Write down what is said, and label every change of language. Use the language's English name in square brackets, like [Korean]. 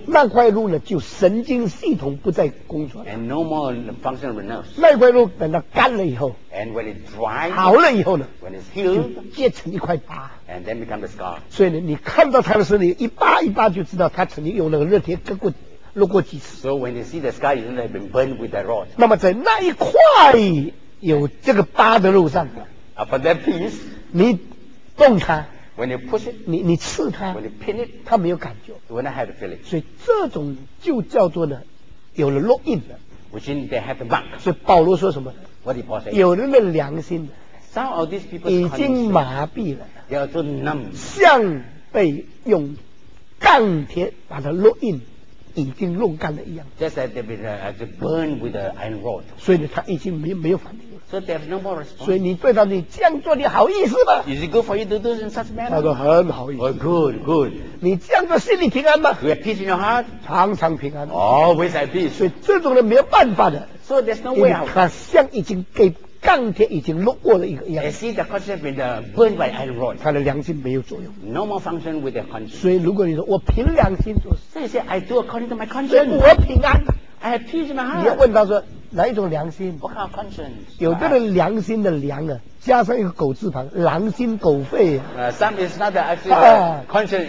[Chinese] 那块肉呢就神经系统不再工作。 [English] And no more function of the nerves. [Chinese] 那块肉等它干了以后。 [English] And when it dries, [Chinese] 好了以后呢， [English] when it's healed, [Chinese] 就结成一块疤。 [English] And then become the scar. [Chinese] 所以呢你看到它的时候，你一疤一疤就知道它曾经用那个热铁割过。路过几次。 [English] So when you see the scar, it has been burned with the rod. [Chinese] 那么在那一块有这个疤的肉上。 [English] For that piece, [Chinese] 你动它。 [English] When you push it, [Chinese] 你刺它。 [English] When you pin it, [Chinese] 它没有感觉。 [English] When I have a feeling. [Chinese] 所以这种就叫做呢，有了烙印了。 [English] Which means they have a mark. [Chinese] 所以保罗说什么？ [English] What did Paul say? [Chinese] 有人的良心。 [English] Some of these people [Chinese] 已经麻痹了。 [English] They are so numb. [Chinese] 像被用钢铁把它烙印。已经弄干了一样。 [English] Just that they've been burned with the iron rod. [Chinese] 所以呢，他已经没有反应了。 [English] So there's no more response. [Chinese] 所以你对他，你这样做，你好意思吗 [English] ？Is it good for you to do in such manner? [Chinese] 他说很好意思。 [English] Oh, good, good. [Chinese] 你这样做心里平安吗 [English] ？You have peace in your heart. [Chinese] 常常平安。 [English] Always at peace. [Chinese] 所以这种人没有办法的。 [English] So there's no way out. [Chinese] 他像已经给钢铁已经弄过了一个一样。 [English] I see the conscience has been burned by iron rod. [Chinese] 他的良心没有作用。 [English] No more function with the conscience. [Chinese] 所以如果你说我凭良心做事，这些 [English] I do according to my conscience. [Chinese] 我平安。 [English] I have peace in my heart. [Chinese] 你要问他说哪一种良心？ [English] What kind of conscience? [Chinese] 有的人良心的良啊，加上一个狗字旁，狼心狗肺。 [English] Some is not actually conscience.